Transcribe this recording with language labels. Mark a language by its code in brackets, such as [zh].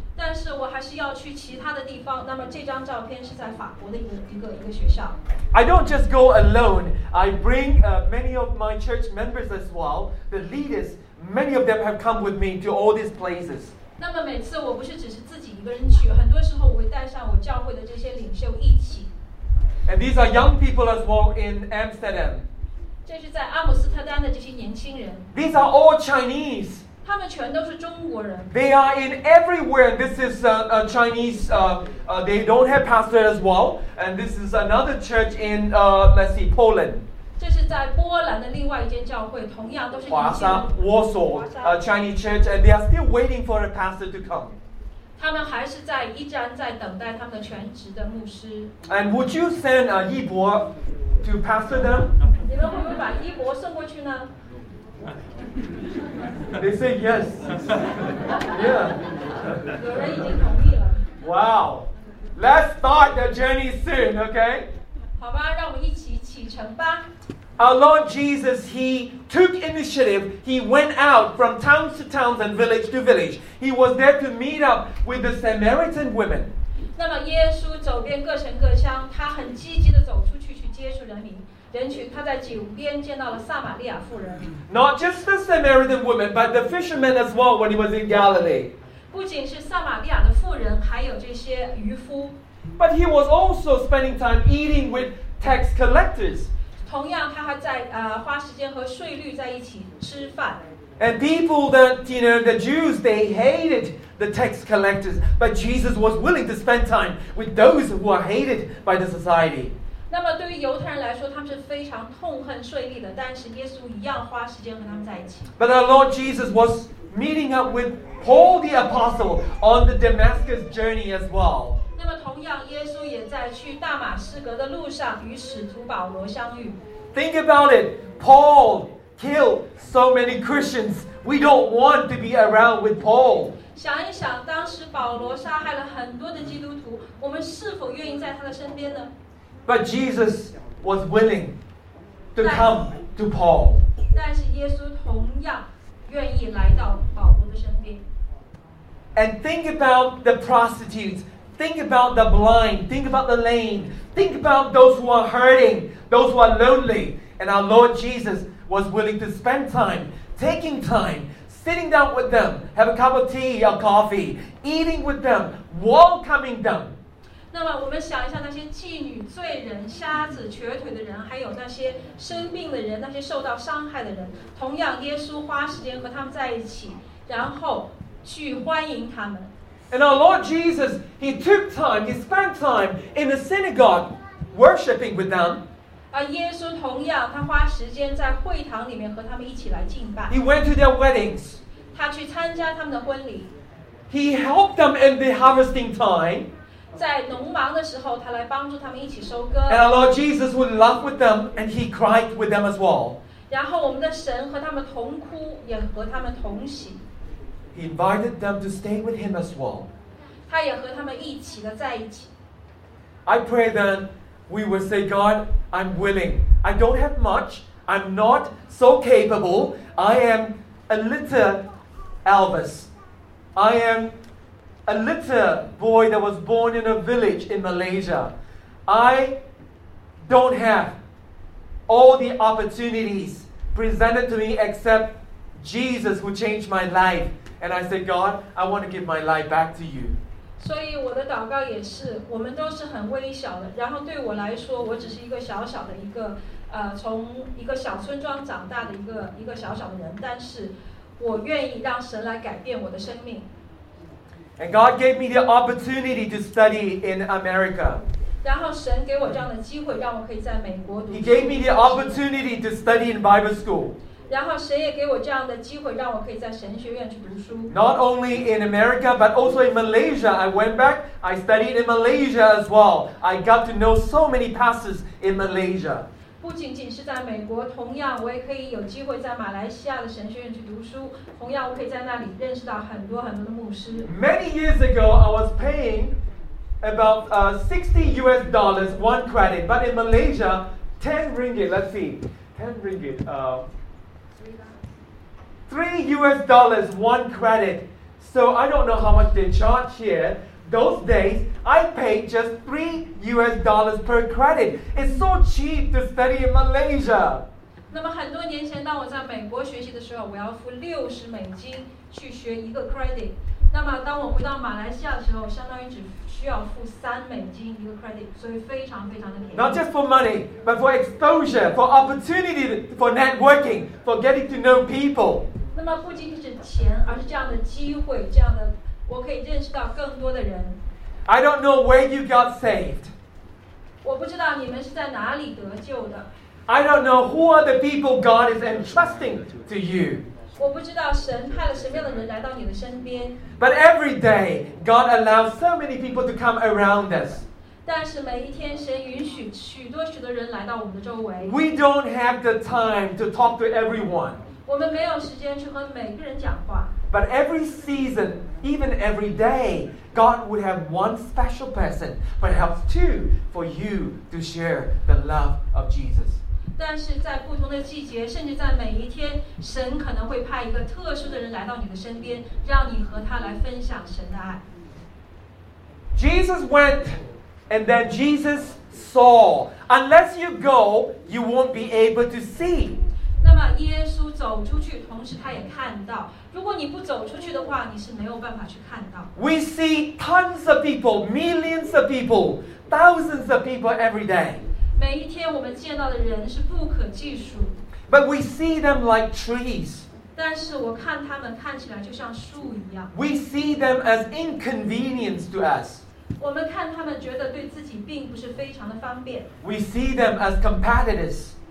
[zh] 但是我还是要去其他的地方。那么这张照片是在法国的一个学校。 [en] I don't just go alone. I bring many of my church members as well. The leaders, many of them have come with me to all these places. [zh] 那么每次我不是只是自己一个人去，很多时候我会带上我教会的这些领袖一起。 [en] And these are young people as well in Amsterdam. [zh] 这是在阿姆斯特丹的这些年轻人。 [en] These are all Chinese. [zh] 他们全都是中国人。 [en] They are in everywhere. This is a Chinese. They don't have pastor as well. And this is another church in, let's see, Poland. [zh] 这是在波兰的另外一间教会，同样都是 [en] 华沙 Warsaw, a Chinese church, and they are still waiting for a pastor to come. [zh] 他们还是在依然在等待他们的全职的牧师。 [en] And would you send 一博 to pastor them? [zh] 你们会不会把一博送过去呢？ [en] They say yes. Yeah. Wow. Let's start the journey soon, okay? [zh] 好吧，让我们一起启程吧。 [en] Our Lord Jesus, he took initiative. He went out from towns to towns and village to village. He was there to meet up with the Samaritan women. [zh] 那么耶稣走遍各城各乡，他很积极地走出去去接触人民。他在井边见到了撒玛利亚妇人。 [en] Not just the Samaritan woman, but the fishermen as well when he was in Galilee. [zh] 不仅是撒玛利亚的妇人，还有这些渔夫。 [en] But he was also spending time eating with tax collectors. [zh] 同样，他还在花时间和税吏在一起吃饭。 [en] And people that, you know, the Jews, they hated the tax collectors, but Jesus was willing to spend time with those who are hated by the society. [zh] 那么对于犹太人来说，他们是非常痛恨税吏的。但是耶稣一样花时间和他们在一起。 [en] But our Lord Jesus was meeting up with Paul the apostle on the Damascus journey as well. [zh] 那么同样，耶稣也在去大马士革的路上与使徒保罗相遇。 [en] Think about it. Paul killed so many Christians. We don't want to be around with Paul. [zh] 想一想，当时保罗杀害了很多的基督徒，我们是否愿意在他的身边呢？ [en] But Jesus was willing to come to Paul. [zh] 但是耶稣同样愿意来到保罗的身边。 [en] And think about the prostitutes. Think about the blind. Think about the lame. Think about those who are hurting, those who are lonely. And our Lord Jesus was willing to spend time, taking time, sitting down with them, have a cup of tea or coffee, eating with them, welcoming them. [zh] 那么我们想一下，那些妓女、罪人、瞎子、瘸腿的人，还有那些生病的人，那些受到伤害的人，同样耶稣花时间和他们在一起，然后去欢迎他们。 [en] And our Lord Jesus, he took time, he spent time in the synagogue worshiping with them. [zh] 而耶稣同样，他花时间在会堂里面和他们一起来敬拜。 [en] He went to their weddings. [zh] 他去参加他们的婚礼。 [en] He helped them in the harvesting time. [zh] 在农忙的时候，他来帮助他们一起收割。 [en] And our Lord Jesus would laugh with them, and he cried with them as well. [zh] 然后我们的神和他们同哭，也和他们同喜。 [en] He invited them to stay with him as well. [zh] 他也和他们一起的在一起。 [en] I pray that we would say, God, I'm willing. I don't have much. I'm not so capable. I am a little Elvis. I am. A little boy that was born in a village in Malaysia. I don't have all the opportunities presented to me except Jesus who changed my life. And I said, God, I want to give my life back to you. [zh] 所以我的祷告也是，我们都是很微小的。然后对我来说，我只是一个小小的一个，从一个小村庄长大的一个小小的人。但是我愿意让神来改变我的生命。 [en] And God gave me the opportunity to study in America. [zh] 然后神给我这样的机会，让我可以在美国读书。 [en] He gave me the opportunity to study in Bible school. [zh] 然后神也给我这样的机会，让我可以在神学院去读书。 [en] Not only in America, but also in Malaysia. I went back, I studied in Malaysia as well. I got to know so many pastors in Malaysia. [zh] 不仅仅是在美国，同样我也可以有机会在马来西亚的神学院去读书。同样，我可以在那里认识到很多很多的牧师。 [en] Many years ago, I was paying about $60 one credit, but in Malaysia, $3 one credit. So I don't know how much they charge here. Those days, I paid just $3 per credit. It's so cheap to study in Malaysia. [zh] 那么很多年前，当我在美国学习的时候，我要付$60去学一个 credit。那么当我回到马来西亚的时候，相当于只需要付$3一个 credit， 所以非常非常的便宜。 [en] Not just for money, but for exposure, for opportunity, for networking, for getting to know people. [zh] 那么不仅仅是钱，而是这样的机会，这样的。我可以认识到更多的人。 [en] I don't know where you got saved. [zh] 我不知道你们是在哪里得救的。 [en] I don't know who are the people God is entrusting to you. [zh] 我不知道神派了什么样的人来到你的身边。 [en] But every day, God allows so many people to come around us. [zh] 但是每一天，神允许许多许多人来到我们的周围。 [en] We don't have the time to talk to everyone. [zh] 我们没有时间去和每个人讲话。 [en] But every season, even every day, God would have one special person, perhaps two, for you to share the love of Jesus. [zh] 但是在不同的季节，甚至在每一天，神可能会派一个特殊的人来到你的身边，让你和他来分享神的爱。 [en] Jesus went, and then Jesus saw. Unless you go, you won't be able to see. [zh] 那么耶稣走出去，同时他也看到。如果你不走出去的话，你是没有办法去看到。 [en] We see tons of people, millions of people, thousands of people every day. [zh] 每一天我们见到的人是不可计数。 [en] But we see them like trees. [zh] 但是我看他们看起来就像树一样。 [en] We see them as inconvenience to us. [zh] 我们看他们觉得对自己并不是非常的方便。 [en] We see them as competitors.